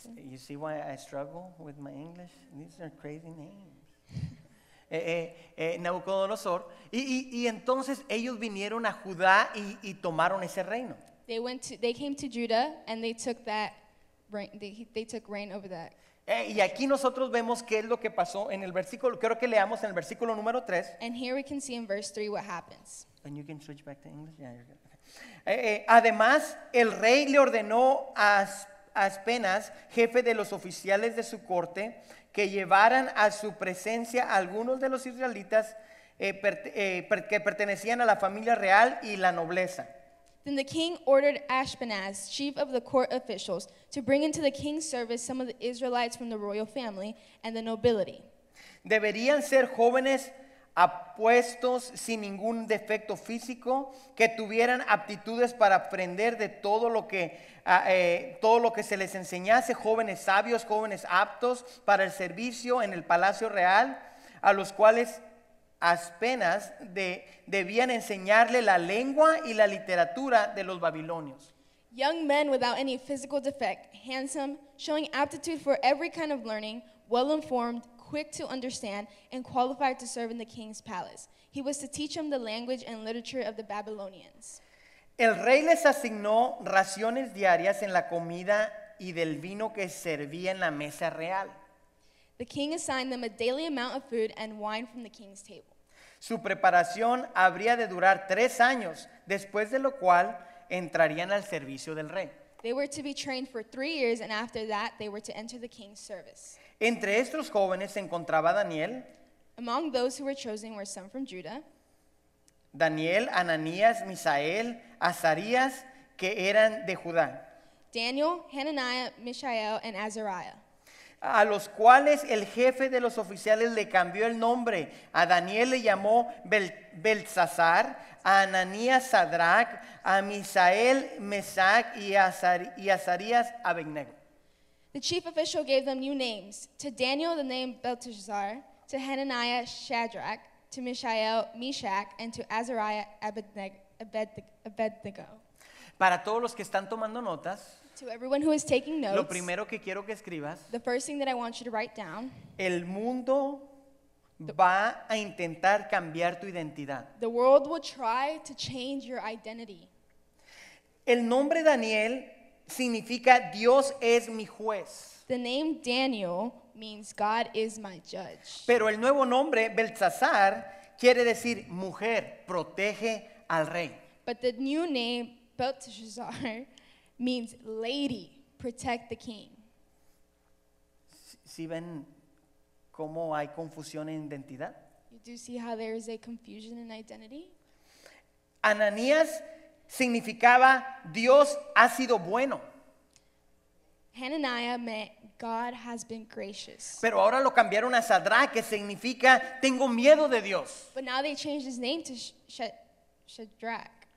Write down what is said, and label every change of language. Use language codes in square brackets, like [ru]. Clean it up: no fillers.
[en] You see why I struggle with my English? These are crazy names. Nabucodonosor. [es] Y entonces ellos vinieron a Judá y tomaron ese reino. [en] They came to Judah and they took reign over that. [es] Y aquí nosotros vemos qué es lo que pasó en el versículo. Creo que leamos en el versículo número 3. [en] And here we can see in verse 3 what happens. And you can switch back to English. Yeah, you're good. [es] Además, el rey le ordenó a Aspenas, jefe de los oficiales de su corte, que llevaran a su presencia a algunos de los israelitas que pertenecían a la familia real y la nobleza. [en] Then the king ordered Ashpenaz, chief of the court officials, to bring into the king's service some of the Israelites from the royal family and the nobility. [es] Deberían ser jóvenes apuestos sin ningún defecto físico, que tuvieran aptitudes para aprender de todo lo que se les enseñase, jóvenes sabios, jóvenes aptos para el servicio en el palacio real, a los cuales Aspenas debían enseñarle la lengua y la literatura de los babilonios. [en] Young men without any physical defect, handsome, showing aptitude for every kind of learning, well informed, quick to understand, and qualified to serve in the king's palace. He was to teach them the language and literature of the Babylonians. [es] El rey les asignó raciones diarias en la comida y del vino que servía en la mesa real. [en] The king assigned them a daily amount of food and wine from the king's table. [es] Su preparación habría de durar 3 años, después de lo cual entrarían al servicio del rey. [en] They were to be trained for 3 years, and after that they were to enter the king's service. [es] Entre estos jóvenes se encontraba Daniel. [en] Among those who were chosen were some from Judah. [es] Daniel, Ananías, Misael, Azarías, que eran de Judá. [en] Daniel, Hananiah, Mishael, and Azariah. [es] A los cuales el jefe de los oficiales le cambió el nombre. A Daniel le llamó Belsasar, a Ananías Sadrach, a Misael Mesach y a Azarías Abednego. [en] The chief official gave them new names. To Daniel the name Belteshazzar, to Hananiah Shadrach, to Mishael Meshach, and to Azariah Abednego. [es] Para todos los que están tomando notas, [en] to everyone who is taking notes, [es] lo primero que quiero que escribas, [en] the first thing that I want you to write down, [es] el mundo va a intentar cambiar tu identidad. [en] The world will try to change your identity. [es] El nombre Daniel significa Dios es mi juez. [en] The name Daniel means God is my judge. [es] Pero el nuevo nombre Belsasar quiere decir mujer, protege al rey. [en] But the new name Belteshazzar means lady, protect the king. [es] ¿Sí ven cómo hay confusión en identidad? [en] You do see how there is a confusion in identity? [es] Ananías significaba Dios ha sido bueno. [en] Hananiah meant God has been gracious. [es] Pero ahora lo cambiaron a Sadrach, que significa tengo miedo de Dios. [en] But now they changed his name to Shadrach.